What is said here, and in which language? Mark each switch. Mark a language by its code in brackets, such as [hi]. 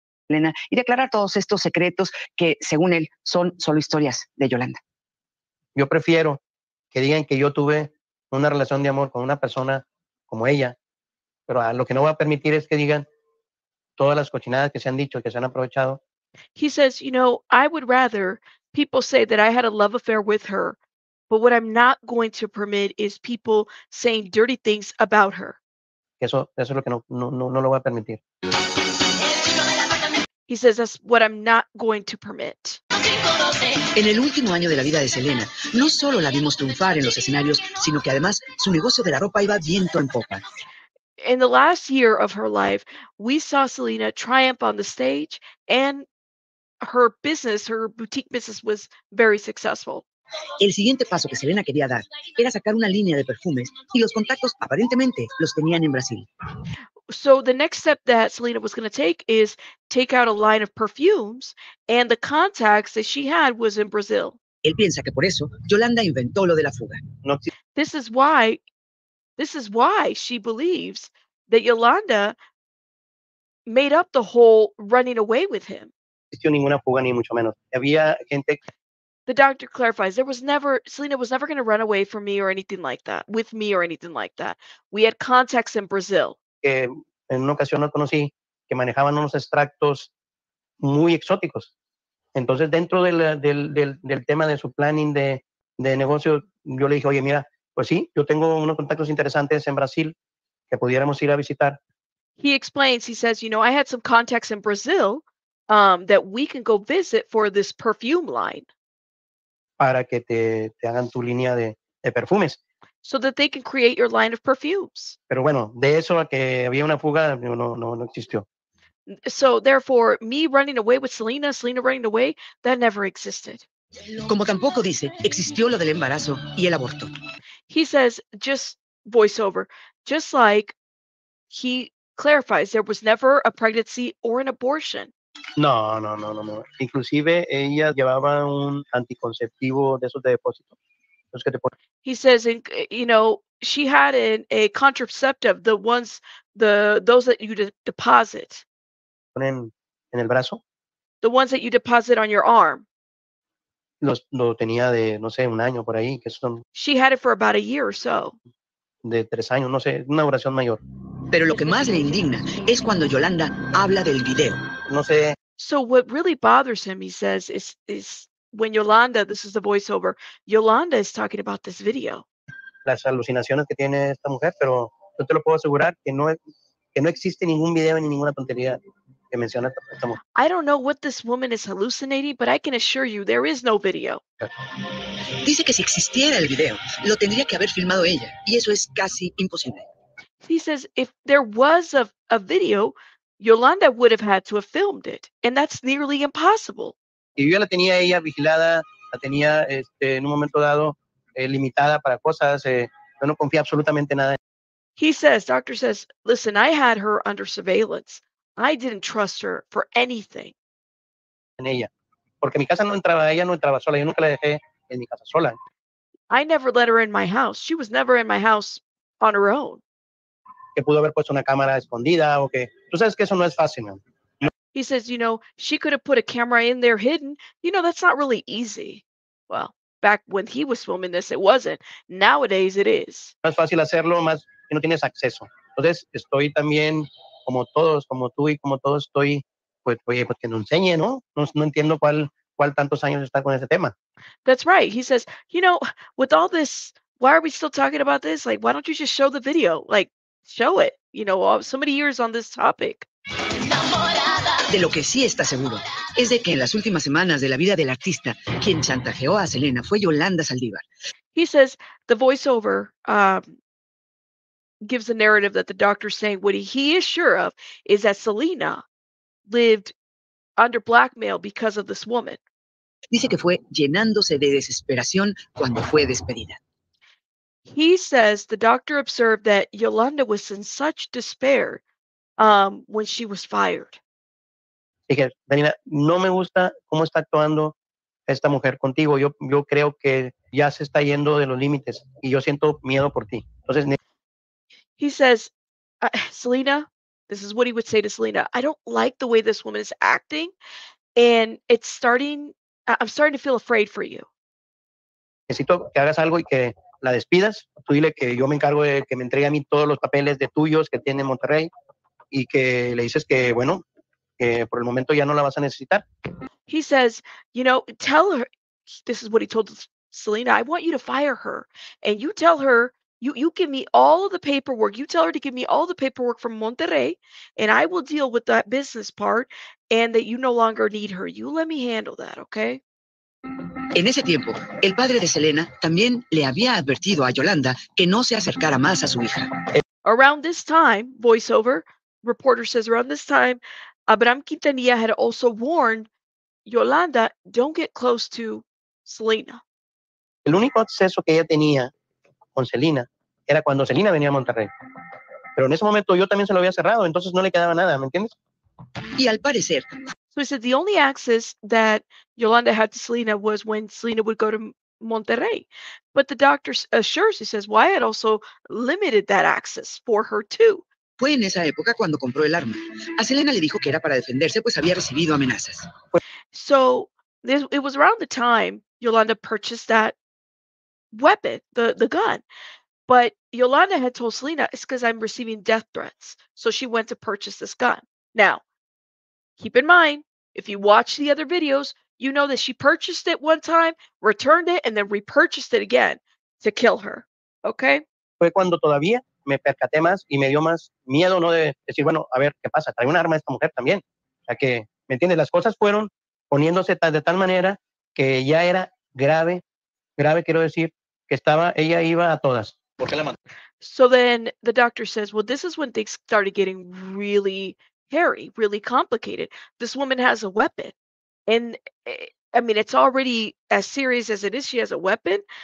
[es] Elena, y declarar todos estos secretos que, según él, son solo historias de Yolanda. Yo prefiero que digan que yo tuve una relación de amor con una persona como ella, pero lo que no va a permitir es que digan todas las cochinadas que se han dicho, que se han aprovechado. [en] He says, you know, I would rather people say that I had a love affair with her, but what I'm not going to permit is people saying dirty things about her. [es] Eso es lo que no lo va a permitir. [en] He says, that's what I'm not going to permit. [es] En el último año de la vida de Selena, no solo la vimos triunfar en los escenarios, sino que además su negocio de la ropa iba viento en popa. [en] In the last year of her life, we saw Selena triumph on the stage and her business, her boutique business was very successful. [es] El siguiente paso que Selena quería dar era sacar una línea de perfumes y los contactos aparentemente los tenían en Brasil. [en] So the next step that Selena was going to take is take out a line of perfumes, and the contacts that she had was in Brazil. [es] Él piensa que por eso Yolanda inventó lo de la fuga. [en] This is why she believes that Yolanda made up the whole running away with him. [es] No existió ninguna fuga ni mucho menos. Había gente. [en] The doctor clarifies, Selena was never going to run away from me or anything like that, with me or anything like that. We had contacts in Brazil. [es] En una ocasión no conocí que manejaban unos extractos muy exóticos. Entonces, dentro del tema de su planning de negocio, yo le dije, oye, mira, pues sí, yo tengo unos contactos interesantes en Brasil que pudiéramos ir a visitar. [en] He explains, he says, you know, I had some contacts in Brazil that we can go visit for this perfume line. [es] Para que te hagan tu línea de perfumes. [en] So that they can create your line of perfumes. [es] Pero bueno, de eso a que había una fuga, no existió. [en] So therefore, me running away with Selena running away, that never existed. [es] Como tampoco dice, existió lo del embarazo y el aborto. [en] He says, just voiceover, just like he clarifies, there was never a pregnancy or an abortion. [es] No. Inclusive, ella llevaba un anticonceptivo de esos de depósito. [en] He says, you know, she had a contraceptive, those that you deposit. [es] ¿Ponen en el brazo? [en] The ones that you deposit on your arm. [es] Lo tenía de, no sé, un año por ahí. Que son, [en] she had it for about a year or so. [es] De 3 años, no sé, una duración mayor. Pero lo que más le indigna es cuando Yolanda habla del video. No sé. [en] So what really bothers him, he says, is when Yolanda, this is the voiceover, Yolanda is talking about this video. [es] Las alucinaciones que tiene esta mujer, pero yo te lo puedo asegurar que no existe ningún video ni ninguna tontería que menciona esta mujer. [en] I don't know what this woman is hallucinating, but I can assure you there is no video. [es] Dice que si existiera el video, lo tendría que haber filmado ella, y eso es casi imposible. [en] He says if there was a video, Yolanda would have had to have filmed it, and that's nearly impossible. [es] Y yo la tenía ella vigilada, la tenía en un momento dado limitada para cosas, yo no confía absolutamente nada. [en] He says, doctor says, listen, I had her under surveillance. I didn't trust her for anything. [es] En ella, porque mi casa no entraba, ella no entraba sola, yo nunca la dejé en mi casa sola. [en] I never let her in my house. She was never in my house on her own. [es] Que pudo haber puesto una cámara escondida o que, tú sabes que eso no es fácil, ¿no? [en] He says, you know, she could have put a camera in there hidden. You know, that's not really easy. Well, back when he was filming this, it wasn't. Nowadays, it is. [es] Más fácil hacerlo, más que no tienes acceso. Entonces, estoy también, como todos, como tú y como todos, estoy, pues, oye, pues que no enseñe, ¿no? No entiendo cuál tantos años está con ese tema. [en] That's right. He says, you know, with all this, why are we still talking about this? Like, why don't you just show the video? Like, show it. You know, so many years on this topic. [es] De lo que sí está seguro es de que en las últimas semanas de la vida del artista, quien chantajeó a Selena fue Yolanda Saldivar. [en] He says the voiceover gives a narrative that the doctor's saying what he is sure of is that Selena lived under blackmail because of this woman. [es] Dice que fue llenándose de desesperación cuando fue despedida. [en] He says the doctor observed that Yolanda was in such despair when she was fired. [es] Dije, Daniela, no me gusta cómo está actuando esta mujer contigo. Yo creo que ya se está yendo de los límites y yo siento miedo por ti. Entonces, [en] he says, Selena, this is what he would say to Selena. I don't like the way this woman is acting and I'm starting to feel afraid for you. [es] Necesito que hagas algo y que la despidas. Tú dile que yo me encargo de que me entregue a mí todos los papeles de tuyos que tiene Monterrey y que le dices que, bueno, que por el momento ya no la vas a necesitar. [en] He says, you know, tell her, this is what he told Selena, I want you to fire her. And you tell her, you give me all of the paperwork. You tell her to give me all the paperwork from Monterrey, and I will deal with that business part, and that you no longer need her. You let me handle that, okay? [es] En ese tiempo, el padre de Selena también le había advertido a Yolanda que no se acercara más a su hija. [en] Around this time, voiceover, reporter says, around this time, Abraham Quintanilla had also warned Yolanda, don't get close to Selena. [es] El único acceso que ella tenía con Selena era cuando Selena venía a Monterrey. Pero en ese momento yo también se lo había cerrado, entonces no le quedaba nada, ¿me entiendes? Y al parecer... [en] So he said the only access that Yolanda had to Selena was when Selena would go to Monterrey. But the doctor assures, he says, Wyatt also limited that access for her too. [es] Fue en esa época cuando compró el arma. A Selena le dijo que era para defenderse, pues había recibido amenazas. [en] So this, it was around the time Yolanda purchased that weapon, the gun. But Yolanda had told Selena, it's because I'm receiving death threats. So she went to purchase this gun. Now, keep in mind, if you watch the other videos, you know that she purchased it one time, returned it, and then repurchased it again to kill her. Okay? [es] Fue cuando todavía me percaté más y me dio más miedo, ¿no? De decir, bueno, a ver, ¿qué pasa? Trae un arma esta mujer también. O sea que, ¿me entiendes? Las cosas fueron poniéndose de tal manera que ya era grave, grave quiero decir, que estaba, ella iba a todas. ¿Por qué la mató? [en] So then the doctor says, well, this is when things started getting really hairy, really complicated. This woman has a weapon. And, I mean, it's already as serious as it is. She has a weapon.